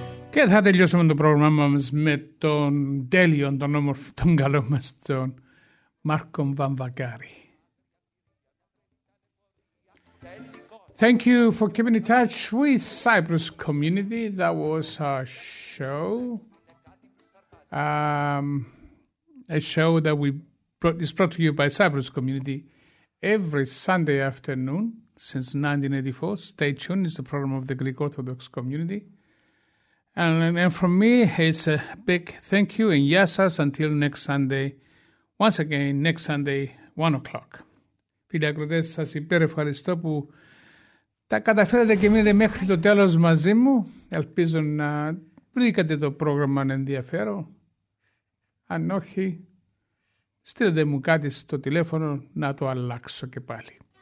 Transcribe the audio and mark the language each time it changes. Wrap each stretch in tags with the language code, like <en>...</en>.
<el>Και θα τελειώσουμε το πρόγραμμα μας με τον τέλειον, τον όμορφο, τον καλό μας, τον Μάρκο Βαμβακάρη.</el> <en>Thank you for keeping in touch with Cyprus Community. That was our show. A show that is brought to you by Cyprus Community every Sunday afternoon since 1984. Stay tuned. It's the program of the Greek Orthodox Community. And from me, it's a big thank you and yasas until next Sunday. Once again, next Sunday, 1 o'clock.</en> <el>Φίλοι ακροτές, σας υπέρ ευχαριστώ που τα καταφέρατε και μείνετε μέχρι το τέλος μαζί μου. Ελπίζω να βρήκατε το πρόγραμμα ενδιαφέρον. Αν όχι, στείλετε μου κάτι στο τηλέφωνο να το αλλάξω και πάλι.</el>